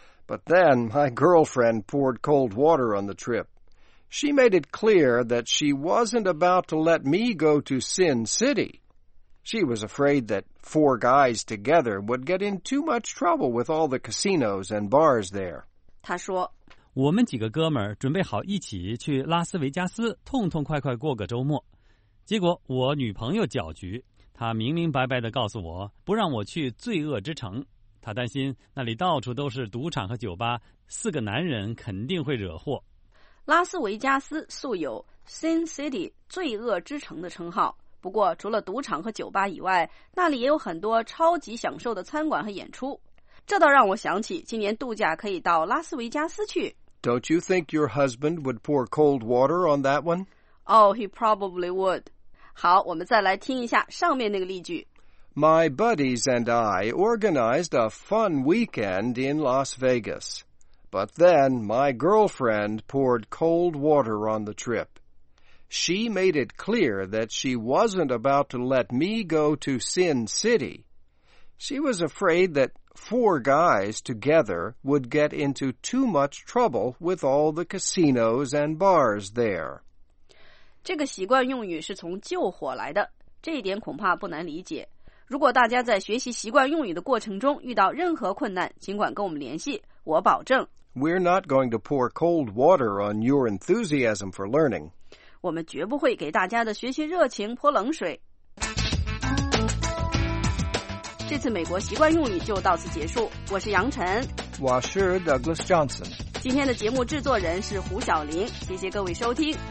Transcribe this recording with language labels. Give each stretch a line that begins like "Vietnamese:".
English: But then my girlfriend poured cold water on the trip. She made it clear that she wasn't about to let me go to Sin City. She was afraid that four guys together would get in too much trouble with all the casinos and bars there.
Chinese: 她说，我们几个哥们儿准备好一起去拉斯维加斯痛痛快快过个周末。结果我女朋友搅局，她明明白白地告诉我不让我去罪恶之城。她担心那里到处都是赌场和酒吧，四个男人肯定会惹祸。拉斯维加斯素有 Sin City 罪恶之城的称号，不过除了赌场和酒吧以外，那里也有很多超级享受的餐馆和演出。这倒让我想起今年度假可以到拉斯维加斯去。
English: Don't you think your husband would pour cold water on that one? Oh, he probably would.
Chinese: 好，我们再来听一下上面那个例句。
English: My buddies and I organized a fun weekend in Las Vegas. But then my girlfriend poured cold water on the trip. She made it clear that she wasn't about to let me go to Sin City. She was afraid that four guys together would get into too much trouble with all the casinos and bars there.
Chinese: 这个习惯用语是从救火来的，这一点恐怕不难理解。如果大家在学习习惯用语的过程中遇到任何困难，尽管跟我们联系，我保证。
English: We're not going to pour cold water on your enthusiasm for learning.
Chinese: 我们绝不会给大家的学习热情泼冷水。这次美国习惯用语就到此结束，我是杨晨。我是 Douglas Johnson。今天的节目制作人是胡晓玲，谢谢各位收听。